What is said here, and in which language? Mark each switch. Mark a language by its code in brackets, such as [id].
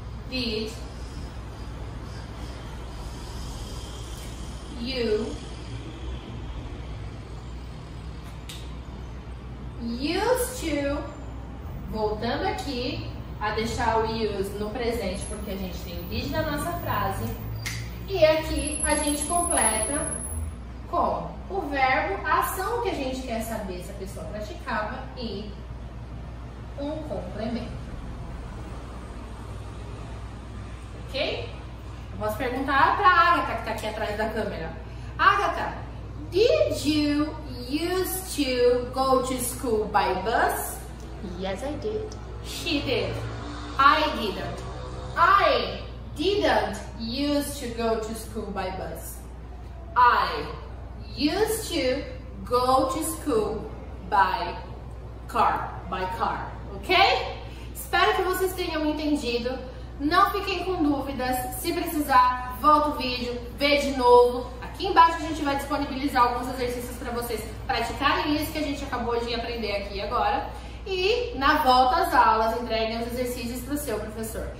[en] Did you used to, [pt] voltando aqui a deixar o use no presente, porque a gente tem o did na nossa frase, e aqui a gente completa com o verbo, a ação que a gente quer saber se a pessoa praticava e um complemento. Ok? Eu posso perguntar para a Agatha, que está aqui atrás da câmera. [en] Agatha, did you used to go to school by bus? Yes, I did. She did. I didn't. I didn't used to go to school by bus. I used to go to school by car, ok? [pt] Espero que vocês tenham entendido. Não fiquem com dúvidas. Se precisar, volta o vídeo, vê de novo. Aqui embaixo a gente vai disponibilizar alguns exercícios para vocês praticarem isso que a gente acabou de aprender aqui agora. E na volta às aulas, entreguem os exercícios para o seu professor.